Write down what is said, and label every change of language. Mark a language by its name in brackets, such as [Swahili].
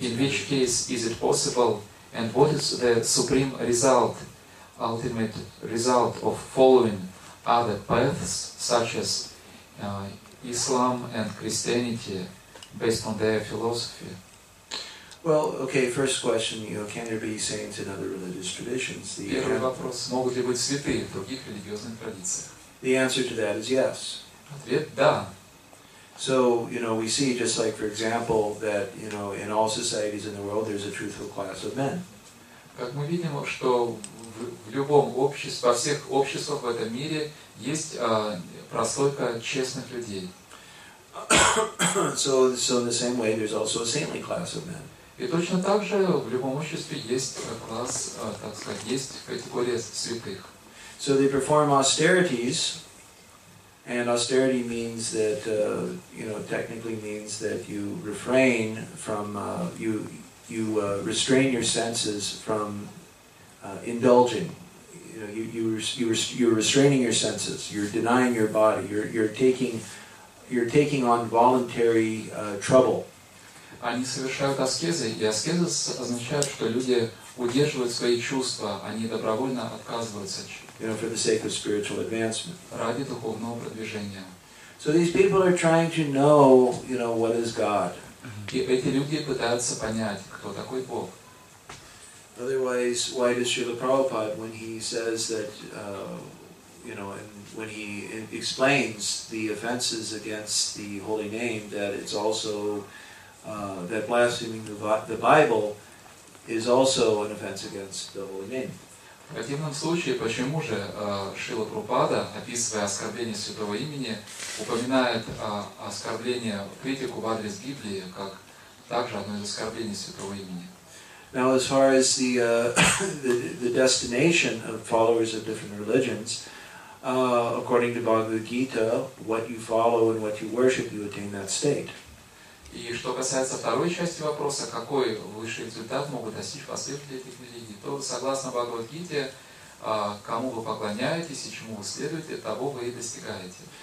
[English] In which case is it possible, and what is the supreme result, ultimate result of following other paths such as Islam and Christianity based on their philosophy? Well, okay, first question, you know, can there be saints in other religious traditions? [Russian] Первый вопрос, могут ли быть святые в других религиозных традициях? [English] The answer to that is yes. [Russian] Ответ – да. [English] So, you know, we see just like, for example, that, you know, in all societies in the world, there's a truthful class of men. [Russian] Как мы видим, что в любом обществе, во всех обществах в этом мире, есть прослойка честных людей. [English] So in the same way, there's also a saintly class of men. [Russian] И точно так же в любом обществе есть класс, так сказать, есть категория святых. [English] So they perform austerities, and austerity means that, you know, technically means that you refrain from, you restrain your senses from indulging. You know, you're restraining your senses. You're denying your body. You're taking on voluntary trouble. [Russian] Они совершают аскезы, и аскеза означает, что люди удерживают свои чувства, они добровольно отказываются от чего-то. [English] You know, for the sake of spiritual advancement. [Russian] Ради духовного продвижения. [English] So these people are trying to know, you know, what is God. [Russian] И эти люди пытаются понять, кто такой Бог. [English] Otherwise, why does Srila Prabhupada, when he says that, you know, and when he explains the offenses against the holy name, that it's also that blaspheming the Bible is also an offense against the holy name. [Russian] В противном случае, почему же Шрила Прабхупада, описывая оскорбление святого имени, упоминает оскорбление, критику в адрес Библии, как также одно из оскорблений святого имени? [English] Now, as far as the destination of followers of different religions, according to Bhagavad Gita, what you follow and what you worship, you attain that state. [Russian] И что касается второй части вопроса, какой высший результат могут достичь последователи этих религий, то согласно Бхагавад-гите, кому вы поклоняетесь и чему вы следуете, того вы и достигаете.